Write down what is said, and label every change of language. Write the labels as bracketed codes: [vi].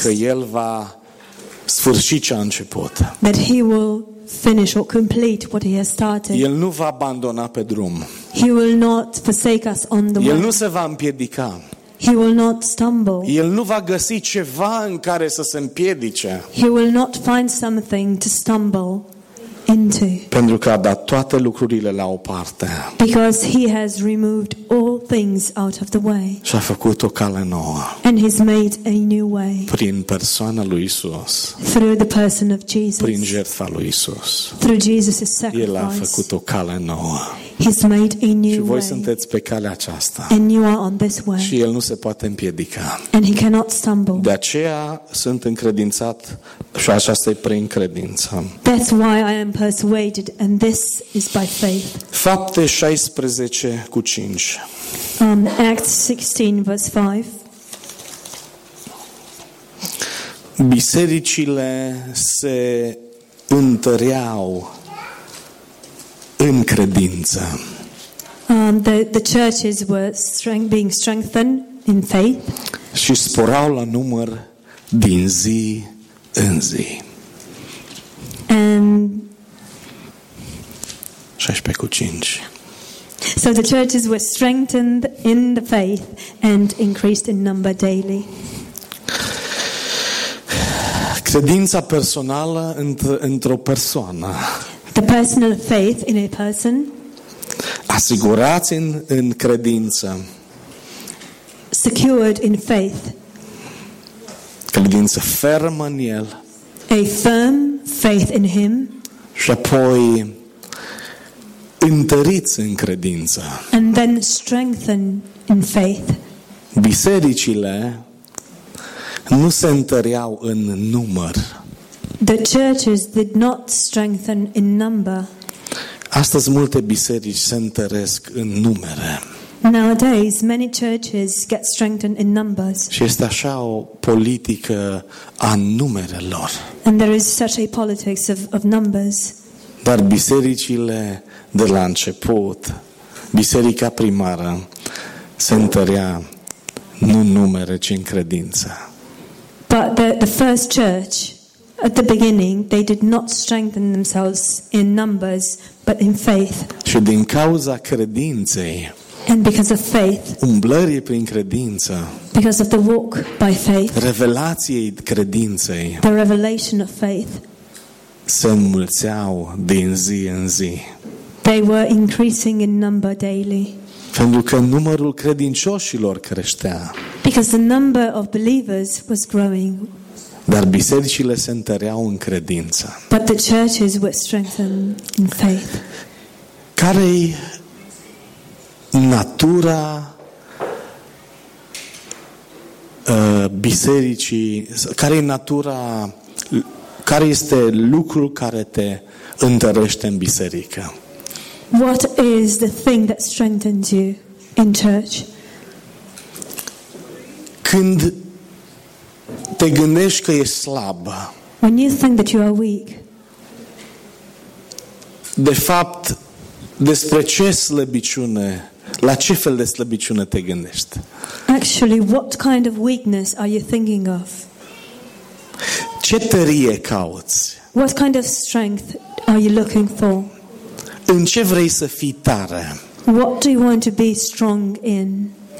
[ro] Că el va sfârși ce a început. [en] That he will finish or complete what he has started. [ro] El nu va abandona pe drum. [en] He will not forsake us on the way. [ro] El nu se va împiedica. [en] He will not stumble. [ro] El nu va găsi ceva în care să se împiedice. [en] He will not find something to stumble. Into. [ro] Pentru că a dat toate lucrurile la o parte. [en] Because he has removed all things out of the way. [ro] Și a făcut o cale nouă. [en] And he's made a new way. [ro] Prin persoana lui Isus. [en] Through the person of Jesus. [ro] Prin jertfa lui Isus. [en] Through Jesus' sacrifice. [ro] El a făcut o cale nouă. [en] He's made a new way. [ro] Și voi sunteți pe calea aceasta. [en] And you are on this way. [ro] Și el nu se poate împiedica. [en] And he cannot stumble. [ro] De aceea sunt încredințat și aceasta e prin credință. [en] That's why I am persuaded and this is by faith. [ro] Fapte 16 cu 5. [en] Acts 16 verse 5. [ro] Bisericile se întăreau în credință. [en] The churches were being strengthened in faith. [ro] Și sporau la număr din zi în zi. [en] And [ro] 16 cu 5. [en] So the churches were strengthened in the faith and increased in number daily. [ro] Credința personală într-o persoană. [en] The personal faith in a person. [ro] Asigurați în credință. [en] Secured in faith. [ro] Credință fermă în el. [en] A firm faith in him. [ro] Și apoi întăriți în credință. [en] And then strengthen in faith. [ro] Bisericile nu se întăreau în număr. [en] The churches did not strengthen in number. [ro] Astăzi multe biserici se întăresc în numere. [en] Nowadays many churches get strengthened in numbers. [ro] Și este așa o politică a numerelor. [en] And there is such a politics of numbers. [ro] Dar bisericile de la început biserica primară se întărea nu în numere, ci în credință. [en] But the first church at the beginning they did not strengthen themselves in numbers but in faith. [ro] Și din cauza credinței. [en] And because of faith. [ro] Umblării prin credință. [en] Because of the walk by faith. [ro] Revelației credinței. [en] The revelation of faith. [ro] Se înmulțeau din zi în zi. [en] They were increasing in number daily. [ro] Pentru că numărul credincioșilor creștea. [en] Because the number of believers was growing. [ro] Dar bisericile se întăreau în credință. [en] But the churches were strengthened in faith. [ro] Care-i natura bisericii, care-i natura, care este lucrul care te întărește în biserică? [en] What is the thing that strengthens you in church? [ro] Când te gândești că ești slab. [en] When you think that you are weak. [ro] De fapt, despre ce slăbiciune, la ce fel de slăbiciune te gândești? [en] Actually, what kind of weakness are you thinking of? [ro] Ce tărie cauți? [en] What kind of strength are you looking for? [ro] În ce vrei să fii tare? [en] What do you want to be strong in?